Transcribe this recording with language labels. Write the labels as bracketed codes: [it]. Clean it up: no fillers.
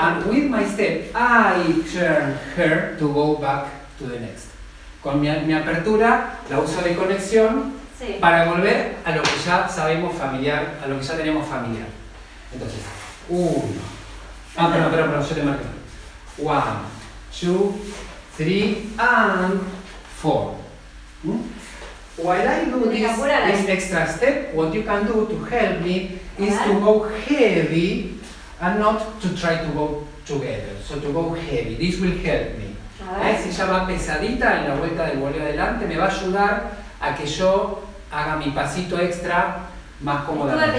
[en] And with my step, I turn her to go back to the next. [es] Con mi apertura, la uso de conexión, sí, para volver a lo que ya sabemos familiar, a lo que ya tenemos familiar. Entonces, uno. Ah, perdón, yo te marco. [en] One, two, three, and four. While I do this extra step, what you can do to help me is to go heavy and not to try to go together. So to go heavy, this will help me. [es] Si ya va pesadita en la vuelta del voleo adelante, me va a ayudar a que yo haga mi pasito extra más cómodamente.